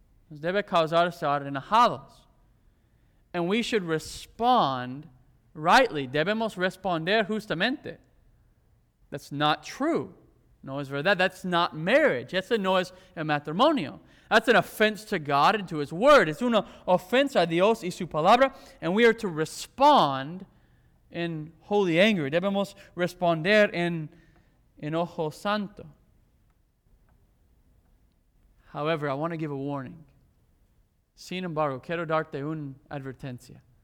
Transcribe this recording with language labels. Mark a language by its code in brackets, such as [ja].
[es] Nos debe causar estar enojados. [en] And we should respond rightly. [es] Debemos responder justamente. [en] That's not true. [es] No es verdad. [en] That's not marriage. [es] Eso no es el matrimonio. [en] That's an offense to God and to his word. [es] Es una ofensa a Dios y su palabra. [en] And we are to respond in holy anger. [es] Debemos responder en enojo santo. [en] However, I want to give a warning. [es] Sin embargo, quiero darte una advertencia.